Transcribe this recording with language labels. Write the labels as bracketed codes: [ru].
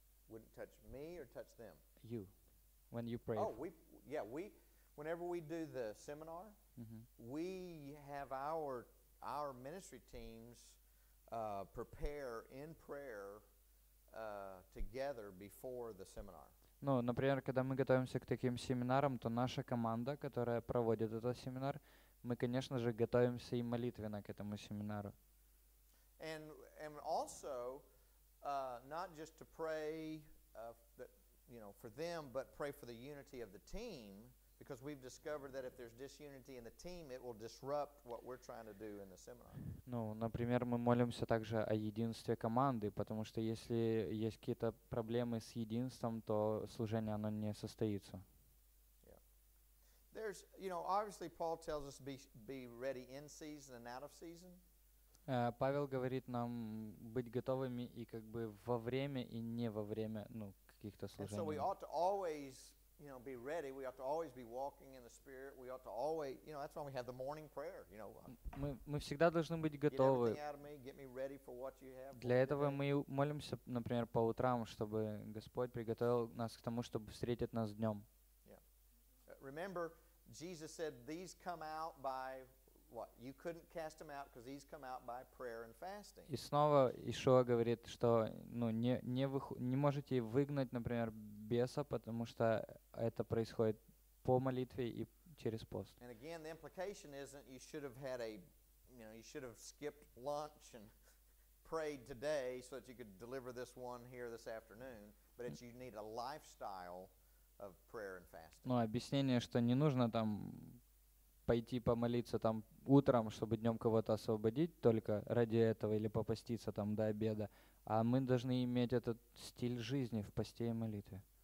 [en] Wouldn't touch me or touch them? You. When you pray. Oh, we whenever we do the seminar, mm-hmm. we have our ministry teams prepare in prayer together before the seminar. [ru] Ну, например, когда мы готовимся к таким семинарам, то наша команда, которая проводит этот семинар, мы, конечно же, готовимся и молитвенно к этому семинару. [en] And also not just to pray for them, but pray for the unity of the team. Because we've discovered that if there's disunity in the team, it will disrupt what we're trying to do in the seminar. [ru] Ну, например, мы молимся также о единстве команды, потому что если есть какие-то проблемы с единством, то служение оно не состоится. [en] Yeah. There's, you know, obviously Paul tells us be ready in season and out of season. [ru] Павел говорит нам быть готовыми и как бы во время и не во время, ну, каких-то служений. [en] And so we ought to always you know, be ready. We ought to always be walking in the Spirit. We ought to always, you know, that's why we have the morning prayer. You know, [ru] мы всегда должны быть готовы. [en] Get everything out of me. Get me ready for what you have. [ru] Для этого мы молимся, например, по утрам, чтобы Господь приготовил нас к тому, чтобы встретить нас днем. [en] Yeah. Remember, Jesus said, "These come out by what? You couldn't cast them out because these come out by prayer and fasting. [ru] И снова Иешуа говорит, что ну не можете выгнать, например, беса, потому что это происходит по молитве и через пост. [en] And again, the implication isn't you should have had a, you know, you should have skipped lunch and prayed today so that you could deliver this one here this afternoon, but it's you need a lifestyle of prayer and fasting. [ru] Ну, объяснение, что не нужно там пойти помолиться там утром, чтобы днем кого-то освободить только ради этого или попоститься там до обеда, а мы должны иметь этот стиль жизни в посте и молитве.